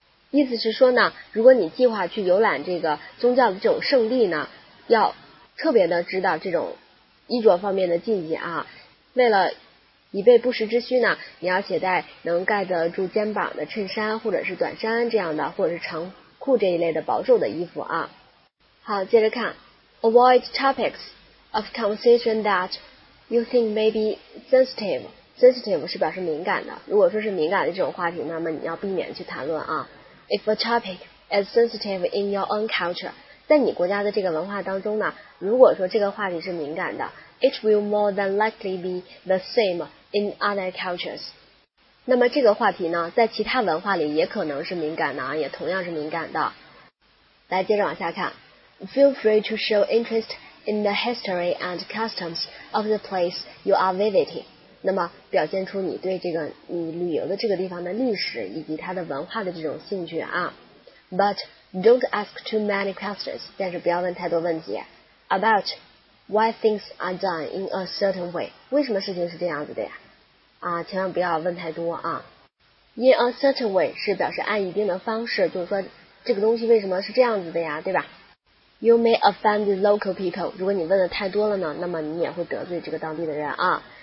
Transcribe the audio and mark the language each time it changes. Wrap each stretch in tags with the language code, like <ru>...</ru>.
<zh>意思是说呢，如果你计划去游览这个宗教的这种圣地呢，要特别的知道这种衣着方面的禁忌啊，为了以备不时之需呢，你要携带能盖得住肩膀的衬衫或者是短衫这样的，或者是长裤这一类的保守的衣服啊。好，接着看</zh> <en>，avoid topics of conversation that you think may be sensitive。</en> <zh>sensitive 是表示敏感的，如果说是敏感的这种话题，那么你要避免去谈论啊。</zh> <en>If a topic is sensitive in your own culture，</en> <zh>在你国家的这个文化当中呢，如果说这个话题是敏感的。</zh> <en>It will more than likely be the same in other cultures.</en> <zh>那么这个话题呢，在其他文化里也可能是敏感的，也同样是敏感的。来，接着往下看。</zh> <en>Feel free to show interest in the history and customs of the place you are visiting.</en> <zh>那么表现出你对这个你旅游的这个地方的历史以及它的文化的这种兴趣啊。</zh> <en>But don't ask too many questions.</en> <zh>但是不要问太多问题。</zh> <en>About Why things are done in a certain way?</en> <zh>为什么事情是这样子的呀？啊，千万不要问太多啊。</zh> <en>In a certain way</en> <zh>是表示按一定的方式，就是说这个东西为什么是这样子的呀，对吧 ？</zh> <en>You may offend local people.</en> <zh>如果你问的太多了呢，那么你也会得罪这个当地的人啊。</zh>